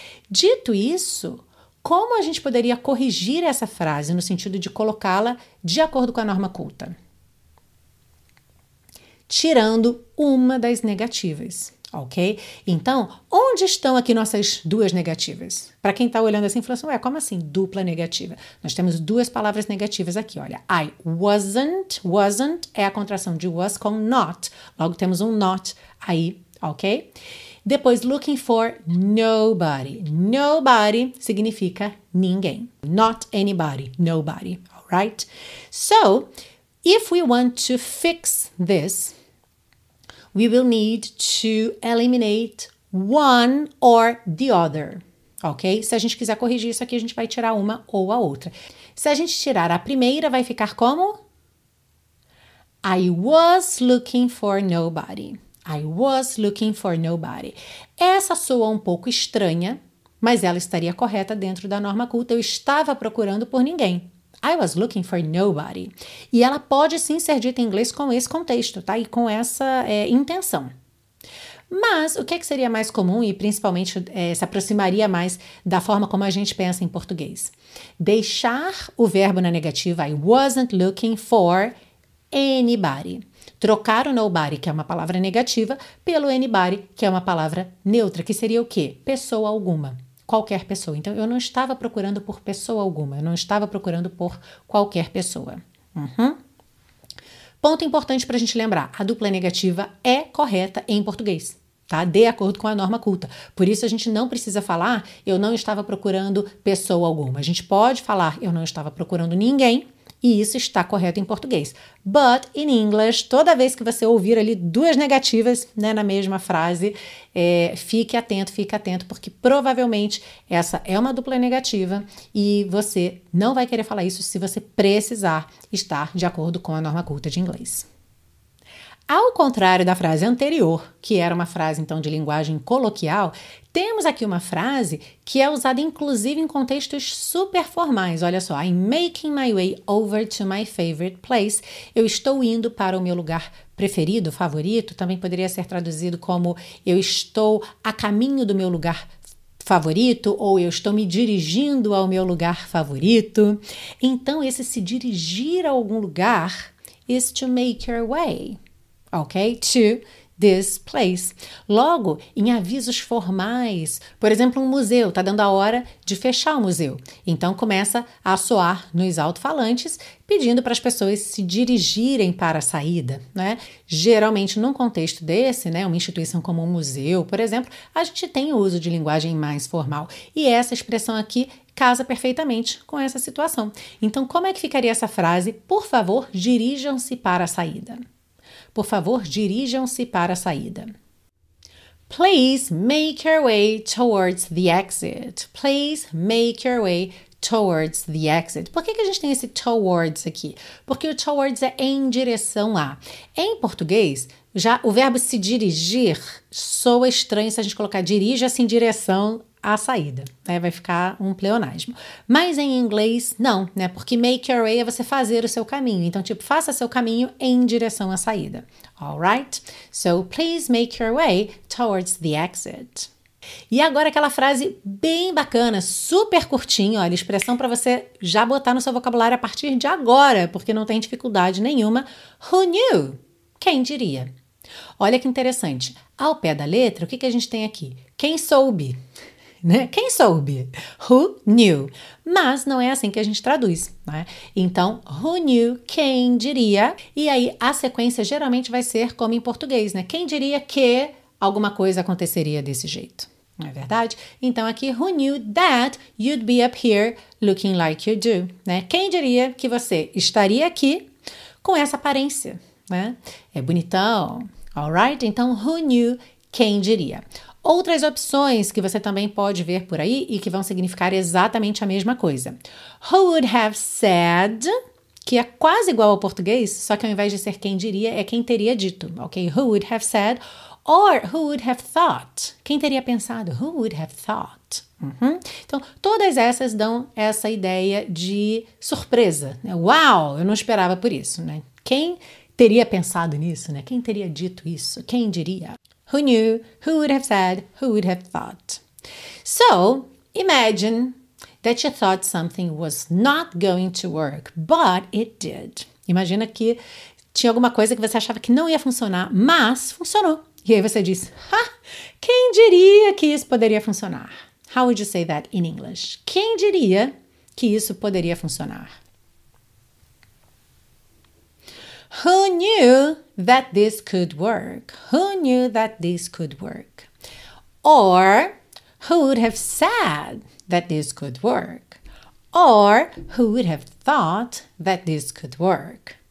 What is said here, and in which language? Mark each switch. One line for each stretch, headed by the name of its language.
Portuguese: Dito isso, como a gente poderia corrigir essa frase no sentido de colocá-la de acordo com a norma culta? Tirando uma das negativas, ok? Então, onde estão aqui nossas duas negativas? Para quem está olhando assim, falando assim, ué, como assim dupla negativa? Nós temos duas palavras negativas aqui, olha.
English: I wasn't, wasn't
Portuguese: é a contração de was com not. Logo, temos um not aí, ok?
English: Depois, looking for nobody. Nobody
Portuguese: significa ninguém.
English: Not anybody, nobody, all right? So, if we want to fix this, we will need to eliminate one or the other, ok?
Portuguese: Se a gente quiser corrigir isso aqui, a gente vai tirar uma ou a outra. Se a gente tirar a primeira, vai ficar como?
English: I was looking for nobody. I was looking for nobody.
Portuguese: Essa soa um pouco estranha, mas ela estaria correta dentro da norma culta. Eu estava procurando por ninguém.
English: I was looking for nobody.
Portuguese: E ela pode sim ser dita em inglês com esse contexto, tá? E com essa intenção. Mas o que seria mais comum e principalmente se aproximaria mais da forma como a gente pensa em português? Deixar o verbo na negativa,
English: I wasn't looking for anybody.
Portuguese: Trocar o nobody, que é uma palavra negativa, pelo anybody, que é uma palavra neutra, que seria o quê? Pessoa alguma. Qualquer pessoa. Então, eu não estava procurando por pessoa alguma. Eu não estava procurando por qualquer pessoa. Uhum. Ponto importante para a gente lembrar. A dupla negativa é correta em português, tá? De acordo com a norma culta. Por isso, a gente não precisa falar eu não estava procurando pessoa alguma. A gente pode falar eu não estava procurando ninguém. E isso está correto em português.
English: But, in English,
Portuguese: toda vez que você ouvir ali duas negativas, né, na mesma frase, fique atento, porque provavelmente essa é uma dupla negativa e você não vai querer falar isso se você precisar estar de acordo com a norma culta de inglês. Ao contrário da frase anterior, que era uma frase, então, de linguagem coloquial, temos aqui uma frase que é usada, inclusive, em contextos super formais. Olha só,
English: I'm making my way over to my favorite place.
Portuguese: Eu estou indo para o meu lugar preferido, favorito. Também poderia ser traduzido como eu estou a caminho do meu lugar favorito ou eu estou me dirigindo ao meu lugar favorito. Então, esse se dirigir a algum lugar
English: is to make your way.
Portuguese: Ok?
English: To this place.
Portuguese: Logo, em avisos formais, por exemplo, um museu, tá dando a hora de fechar o museu. Então, começa a soar nos alto-falantes, pedindo para as pessoas se dirigirem para a saída, né? Geralmente, num contexto desse, né, uma instituição como um museu, por exemplo, a gente tem o uso de linguagem mais formal. E essa expressão aqui casa perfeitamente com essa situação. Então, como é que ficaria essa frase? Por favor, dirijam-se para a saída. Por favor, dirijam-se para a saída.
English: Please make your way towards the exit. Please make your way towards the exit.
Portuguese: Por que que a gente tem esse towards aqui? Porque o towards é em direção a. Em português, já o verbo se dirigir soa estranho se a gente colocar dirija-se em direção à saída, né? Vai ficar um pleonasmo. Mas em inglês, não, né? Porque make your way é você fazer o seu caminho. Então, tipo, faça seu caminho em direção à saída.
English: All right? So, please make your way towards the exit.
Portuguese: E agora aquela frase bem bacana, super curtinha, olha, expressão para você já botar no seu vocabulário a partir de agora, porque não tem dificuldade nenhuma.
English: Who knew?
Portuguese: Quem diria? Olha que interessante. Ao pé da letra, o que que a gente tem aqui? Quem soube? Né? Quem soube?
English: Who knew?
Portuguese: Mas não é assim que a gente traduz, né? Então,
English: who knew?
Portuguese: Quem diria? E aí, a sequência geralmente vai ser como em português, né? Quem diria que alguma coisa aconteceria desse jeito? Não é verdade? Então, aqui,
English: who knew that you'd be up here looking like you do?
Portuguese: Né? Quem diria que você estaria aqui com essa aparência? Né? É bonitão.
English: Alright?
Portuguese: Então,
English: who knew?
Portuguese: Quem diria? Outras opções que você também pode ver por aí e que vão significar exatamente a mesma coisa.
English: Who would have said,
Portuguese: que é quase igual ao português, só que ao invés de ser quem diria, é quem teria dito, ok?
English: Who would have said, or who would have thought,
Portuguese: quem teria pensado,
English: who would have thought. Uhum.
Portuguese: Então, todas essas dão essa ideia de surpresa, né? Uau, eu não esperava por isso, né? Quem teria pensado nisso, né? Quem teria dito isso, quem diria?
English: Who knew, who would have said, who would have thought. So, imagine that you thought something was not going to work, but it did.
Portuguese: Imagina que tinha alguma coisa que você achava que não ia funcionar, mas funcionou. E aí você diz, ha, quem diria que isso poderia funcionar?
English: How would you say that in English?
Portuguese: Quem diria que isso poderia funcionar?
English: Who knew that this could work? Who knew that this could work? Or who would have said that this could work? Or who would have thought that this could work?